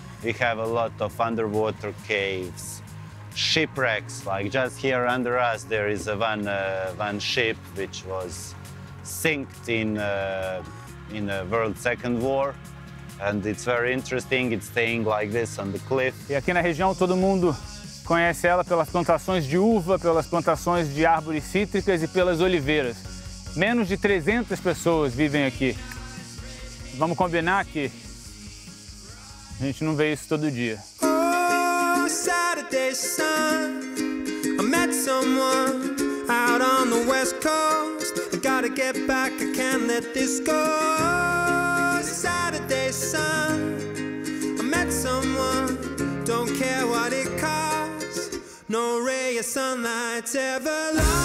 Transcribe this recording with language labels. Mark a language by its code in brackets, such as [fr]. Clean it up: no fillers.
[en] We have a lot of underwater caves, shipwrecks. Like just here under us, there is a one ship which was sunk in the World Second War. And it's very interesting, it's staying like this on the cliff. [pt] E aqui na região todo mundo conhece ela pelas plantações de uva, pelas plantações de árvores cítricas e pelas oliveiras. Menos de 300 pessoas vivem aqui. Vamos combinar que a gente não vê isso todo dia. [en] Oh, Saturday sun, I met someone out on the west coast. I gotta get back, I can't let this go. Saturday sun, I met someone, don't care what it costs, no ray of sunlight's ever long.